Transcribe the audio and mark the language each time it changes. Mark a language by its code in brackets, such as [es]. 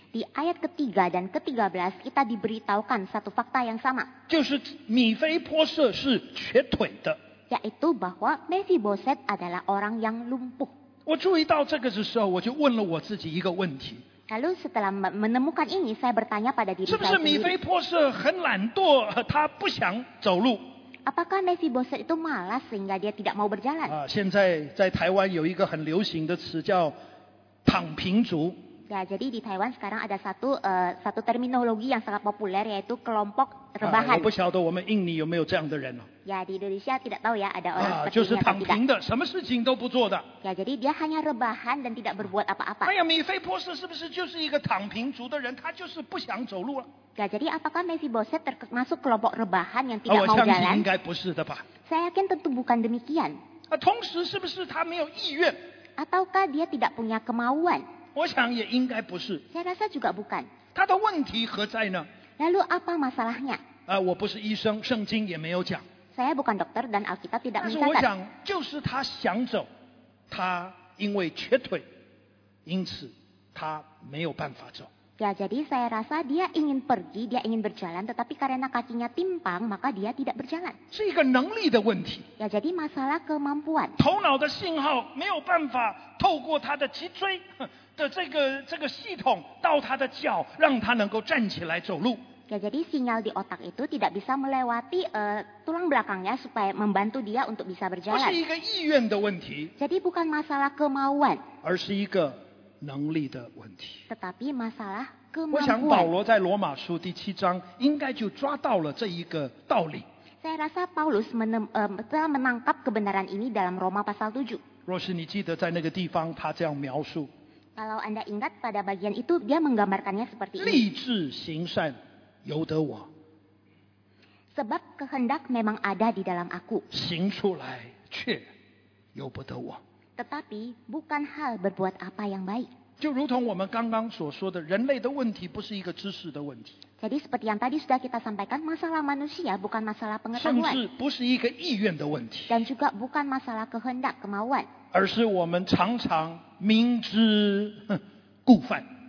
[id] Di ayat ketiga dan ketiga belas kita diberitahukan satu fakta yang sama. [zh] 就是米非波设是瘸腿的。 [id] Yaitu bahwa Mephiboset adalah orang yang lumpuh. [zh] 我注意到这个的时候，我就问了我自己一个问题。 [id] Lalu setelah menemukan ini, saya bertanya pada diri saya sendiri. [zh] 是不是米非波设很懒惰，他不想走路？ [id] Apakah Mephiboset itu malas sehingga dia tidak mau berjalan? [zh] 现在在台湾有一个很流行的词叫躺平族。 [id] Ya, jadi di Taiwan sekarang ada satu terminologi yang sangat populer yaitu kelompok rebahan. [zh] 我不晓得我们印尼有没有这样的人哦。 [id] Ya, di Indonesia tidak tahu ya ada orang seperti itu. [zh] 就是躺平的，什么事情都不做的。 [id] Ya, jadi dia hanya rebahan dan tidak berbuat apa-apa. [zh] 哎呀，米非波设是不是就是一个躺平族的人？他就是不想走路了。 [id] Ya, jadi apakah Mephiboset termasuk kelompok rebahan yang tidak mau jalan? [zh] 我相信应该不是的吧。 [id] Saya yakin tentu bukan demikian. [zh] 同时是不是他没有意愿 [id] ？Ataukah dia tidak punya kemauan？ [zh] 我想也应该不是。 [id] Saya rasa juga bukan. [zh] 他的问题何在呢？ [id] Lalu apa masalahnya？ [zh] 我不是医生，圣经也没有讲。 [id] Saya bukan dokter dan Alkitab tidak mencatat. [zh] 但是我想，就是他想走，他因为瘸腿，因此他没有办法走。 [id] Ya, jadi saya rasa dia ingin pergi, dia ingin berjalan, tetapi karena kakinya timpang, maka dia tidak berjalan. [zh] 是一个能力的问题。 [id] Ya, jadi masalah kemampuan. [zh] 头脑的信号没有办法透过他的脊椎。的这个系统到他的脚，让他能够站起来走路。 [id] Ya, jadi sinyal di otak itu tidak bisa melewati tulang belakangnya supaya membantu dia untuk bisa berjalan. [zh] 不是一个意愿的问题。 [id] Jadi bukan masalah kemauan. [zh] 而是一个能力的问题。 [id] Tetapi masalah kemampuan. [zh] 我想保罗在罗马书第七章应该就抓到了这一个道理。 [id] Saya rasa Paulus telah menangkap kebenaran ini dalam Roma pasal 7. [zh] 若是你记得在那个地方他这样描述。 [id] Kalau anda ingat pada bagian itu dia menggambarkannya seperti ini. [zh] 立志行善由得我。 [id] Sebab kehendak memang ada di dalam aku. [zh] 行出来却由不得我。 [id] Tetapi bukan hal berbuat apa yang baik. [zh] 就如同我们刚刚所说的，人类的问题不是一个知识的问题。 [id] Jadi seperti yang tadi sudah kita sampaikan, masalah manusia bukan masalah pengetahuan. [zh] 甚至不是一个意愿的问题。 [id] Dan juga bukan masalah kehendak kemauan. [zh] 而是我们常常明知故犯。